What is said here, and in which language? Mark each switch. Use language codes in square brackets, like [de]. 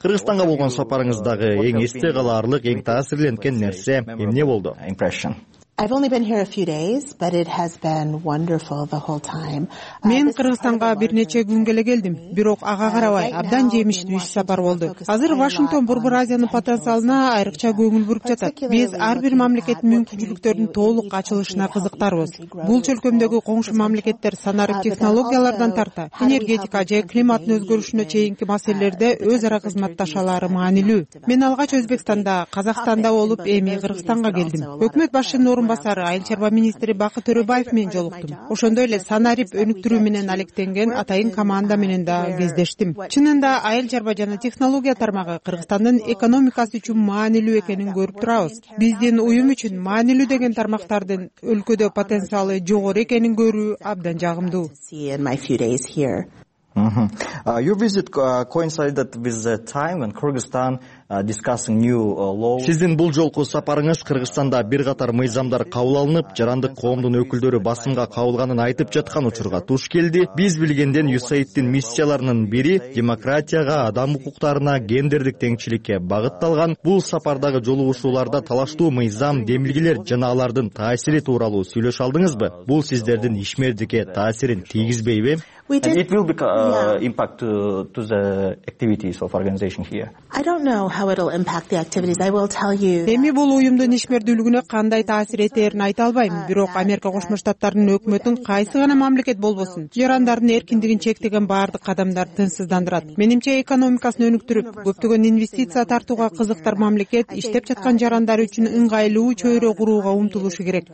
[ky] Кыргызстанга болгон сапарыңыздагы эң эсте калаарлык, эң таасирленткен нерсе эмне болду? [en] Impression. I've only been here a few days, but it has been wonderful the whole time. [ky] Мен Кыргызстанга бир нече күн эле келдим, бирок ага карабай абдан жемиштүү иш сапар болду. Азыр Вашингтон Борбор Азиянын потенциалына айрыкча көңүл буруп жатат. Биз ар бир мамлекеттин мүмкүнчүлүктөрүн толук ачылышына кызыктарбыз. Бул чөлкөмдөгү коңшу мамлекеттер санарип технологиялардан тарта, энергетика же климаттын өзгөрүшүнө чейинки маселелерде өз ара кызматташалары маанилүү. Мен алгач Өзбекстанда, Казакстанда болуп, эми Кыргызстанга келдим. Өкмөт башчынын орунбасары, айыл чарба министри Бакыт Төрөбаев менен жолуктум. Ошондой эле санарип өнүктүрүү менен алектенген атайын команда менен да кездештим. Чынында айыл чарба жана технология тармагы Кыргызстандын экономикасы үчүн маанилүү экенин көрүп турабыз. Биздин уюм үчүн маанилүү деген тармактардын өлкөдө потенциалы жогору экенин көрүү абдан жагымдуу. [en] Your visit coincided with the time when Kyrgyzstan discussing new law. [ky] Сиздин бул жолку сапарыңыз Кыргызстанда бир катар мыйзамдар кабыл алынып, жарандык коомдун өкүлдөрү басымга кабылганын айтып жаткан учурга туш келди. Биз билгенден USAID'тин миссияларынын бири демократияга, адам укуктарына, гендердик теңчиликке багытталган. Бул сапардагы жолугушууларда талаштуу мыйзам, демилгелер жана алардын таасири тууралуу сүйлөшө алдыңызбы? Бул сиздердин ишмердикке таасирин тийгизбейби? [en] It will impact to the activities of organization here. I don't know how it'll impact the activities. I will tell you. [ky] Эми бул уюмдун ишмердүүлүгүнө кандай таасир этерин айта албайм, бирок Америка Кошмо Штаттарынын өкмөтүн кайсы гана мамлекет болбосун, жарандардын эркиндигин чектеген баардык кадамдар тынчсыздандырат. Менимче экономикасын өнүктүрүп, көптөгөн инвестиция тартууга кызыктар мамлекет иштеп жаткан жарандар үчүн ыңгайлуу чөйрө курууга умтулушу керек.